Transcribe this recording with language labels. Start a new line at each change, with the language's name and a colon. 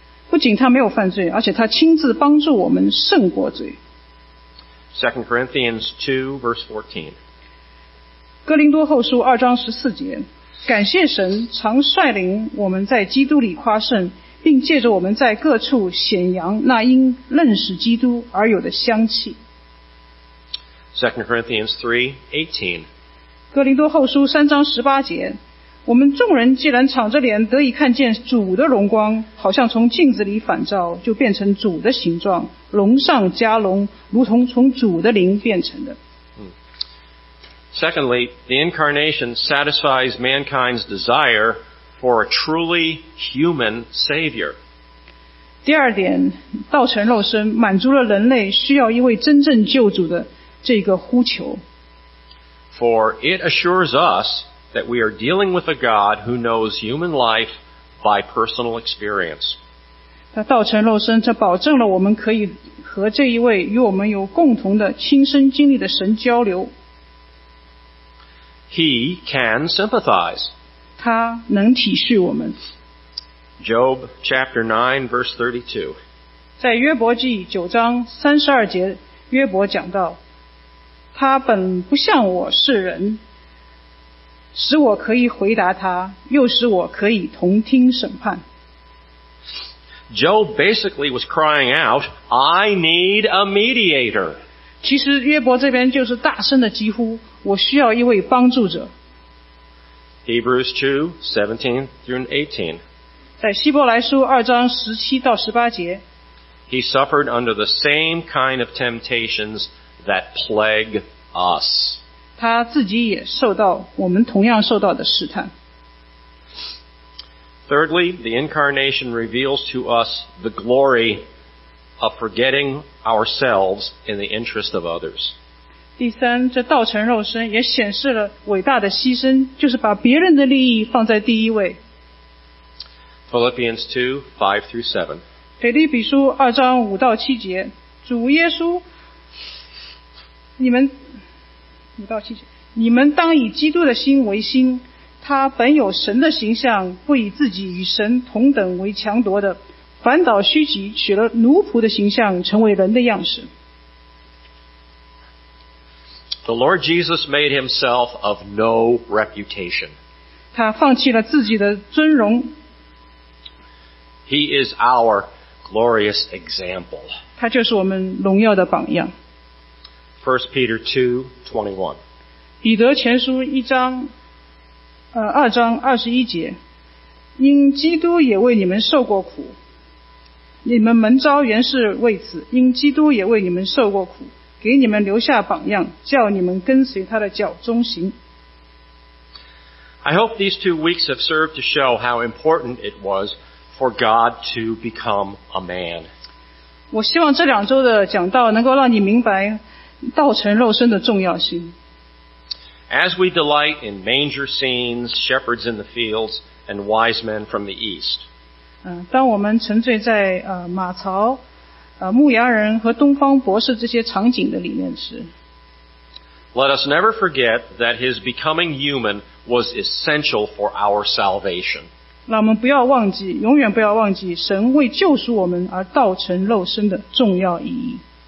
Chinese: 不仅他没有犯罪，而且他亲自帮助我们胜过罪。
English: Second Corinthians 2 verse 14.
Chinese: 哥林多后书二章十四节，感谢神常率领我们在基督里夸胜。并借着我们在各处显扬那因认识基督而有的香气。
English: 2 Corinthians 3:18.
Chinese: 哥林多后书三章十八节，我们众人既然敞着脸得以看见主的荣光，好像从镜子里反照，就变成主的形状，龙上加龙，如同从主的灵变成的。
English: Secondly, the incarnation satisfies mankind's desire. For a truly human savior.
Chinese: 第二点，道成肉身，满足了人类需要一位真正救主的这个呼求。
English: For it assures us that we are dealing with a God who knows human life by personal experience.
Chinese: 那道成肉身，这保证了我们可以和这一位与我们有共同的亲身经历的神交流。
English: He can sympathize.
Chinese: 他能体恤我们。
English: Job chapter 9 verse 32.
Chinese: 在约伯记九章三十二节，约伯讲到：“他本不像我是人，使我可以回答他，又使我可以同听审判。”
English: Job basically was crying out, "I need a mediator."
Chinese: 其实约伯这边就是大声的疾呼：“我需要一位帮助者。”
English: Hebrews 2:17 through 18.
Chinese: 在希伯来书二章十七到十八节。
English: He suffered under the same kind of temptations that plague us.
Chinese: 他自己也受到我们同样受到的试探。
English: Thirdly, the incarnation reveals to us the glory of forgetting ourselves in the interest of others.
Chinese: 第三，这道成肉身也显示了伟大的牺牲，就是把别人的利益放在第一位。
English: Philippians 2:5 through 7.
Chinese: 腓立比书二章五到七节，主耶稣，你们当以基督的心为心，他本有神的形象，不以自己与神同等为强夺的，反倒虚己，取了奴仆的形象，成为人的样式。
English: The Lord Jesus made himself of no reputation.
Chinese: 他放弃了自己的尊荣。
English: He is our glorious example.
Chinese: 他就是我们荣耀的榜样。
English: 1 Peter 2:21.
Chinese: 彼得前书一章，二章二十一节，因基督也为你们受过苦，你们蒙召原是为此，因基督也为你们受过苦。给你们留下榜样，叫你们跟随他的脚中行。
English: I hope these 2 weeks have served to show how important it was for God to become a man.
Chinese: 我希望这两周的讲道能够让你明白道成肉身的重要性。
English: As we delight in manger scenes, shepherds in the fields, and wise men from the east.
Chinese: 当我们沉醉在马槽。牧羊人和东方博士这些场景的里面是。
English: Let us never forget that his becoming human was essential for our salvation.
Chinese: 那我们不要忘记，永远不要忘记，神为救赎我们而道成肉身的重要意义。